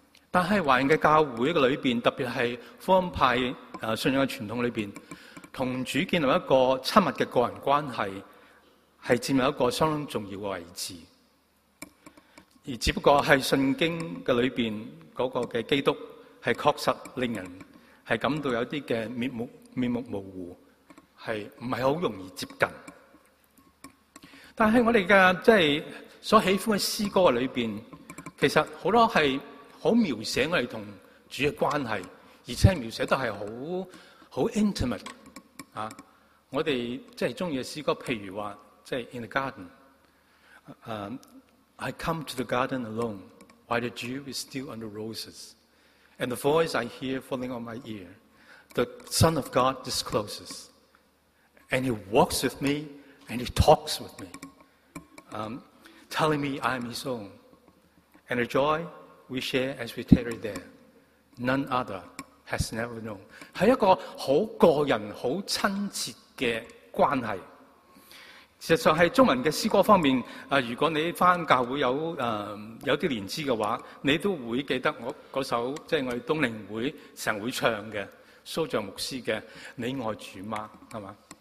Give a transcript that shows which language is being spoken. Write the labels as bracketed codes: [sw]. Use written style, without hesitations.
[zh] 但是华人的教会里面，特别是福音派信仰的传统里面，跟主建立一个亲密的个人关系是占有一个相当重要的位置。而只不过是圣经的里面那个的基督是确实令人是感到有一些的面目模糊，是不是很容易接近。但是我们的即是所喜欢的诗歌里面，其实很多是很描写我们跟主的关系，而且描写都是很 intimate、啊、我们即是喜欢的诗歌，譬如说即是 [en] In the Garden、I come to the garden alone, while the dew is still on the roses, and the voice I hear falling on my ear, the Son of God discloses, and he walks with me, and he talks with me, telling me I am his own, and the joy we share as we tarry there, none other has never known. [zh] 是一个很个人、很亲切的关系。事实上，在中文的诗歌方面，如果你回教会有些年资的话，你都会记得我那首即是我们东灵会成会唱的苏像牧师的《你爱主吗》，是吧？